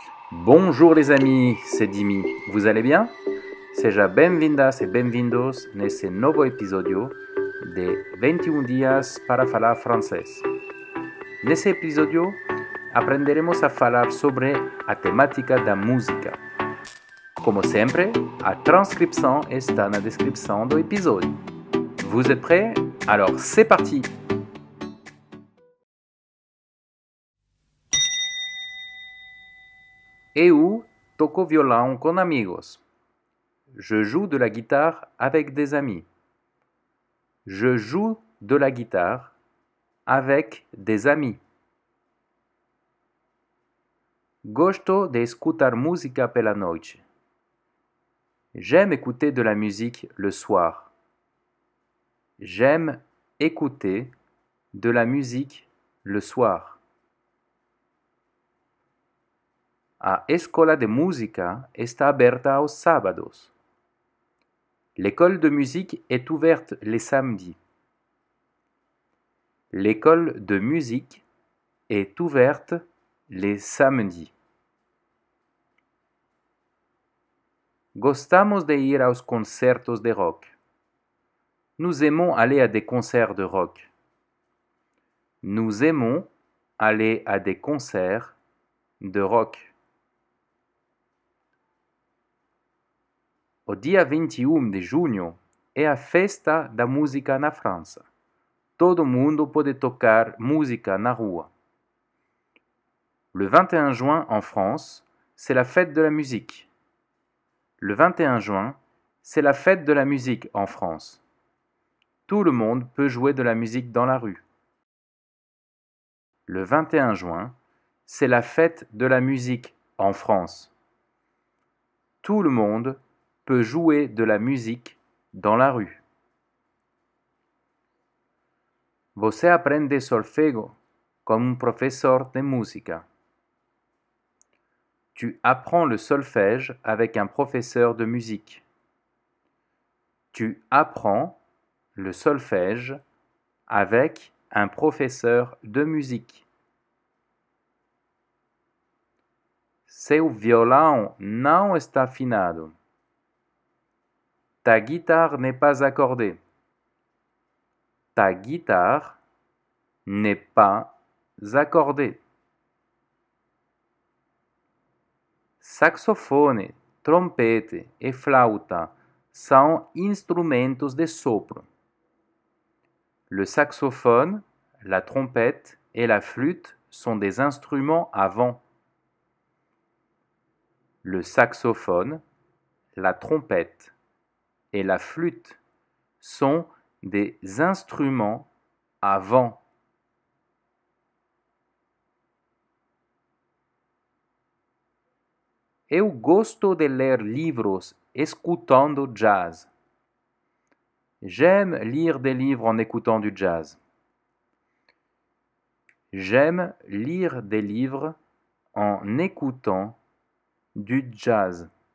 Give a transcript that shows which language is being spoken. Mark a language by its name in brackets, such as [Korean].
[French] Bonjour les amis, c'est Dimi. Vous allez bien? [Portuguese] Seja bem-vindas e bem-vindos nesse novo episódio de 21 dias para falar francês. Nesse episódio, aprenderemos a falar sobre a temática da música. Como sempre, a transcrição está na descrição do episódio. [French] Vous êtes prêts? Alors, c'est parti! [Portuguese] Eu toco violão com amigos. [French] Je joue de la guitare avec des amis. Je joue de la guitare avec des amis. [Portuguese] Gosto de escutar música pela noite. [French] J'aime écouter de la musique le soir. J'aime écouter de la musique le soir. [Portuguese] A escola de música está aberta aos sábados. [French] L'école de musique est ouverte les samedis. L'école de musique est ouverte les samedis. [Portuguese] Gostamos de ir aos concertos de rock. [French] Nous aimons aller à des concerts de rock. Nous aimons aller à des concerts de rock. [Portuguese] O dia 21 de junho é a festa da música na França. Todo mundo pode tocar música na rua. [French] Le 21 juin en France, c'est la fête de la musique. Le 21 juin, c'est la fête de la musique en France. Tout le monde peut jouer de la musique dans la rue. Le 21 juin, c'est la fête de la musique en France. Tout le monde peut jouer de la musique dans la rue. [Portuguese] Você aprende solfego como professeur de música. [French] Tu apprends le solfège avec un professeur de musique. Tu apprends le solfège avec un professeur de musique. [Portuguese] Seu violão não está afinado. [French] Ta guitare n'est pas accordée. Ta guitare n'est pas accordée. [Portuguese] Saxofone, trompete e flauta são instrumentos de sopro. [French] Le saxophone, la trompette et la flûte sont des instruments à vent. Le saxophone, la trompette et la flûte sont des instruments à vent. [Portuguese] Eu gosto de ler livros escutando jazz. [French] J'aime lire des livres en écoutant du jazz. J'aime lire des livres en écoutant du jazz.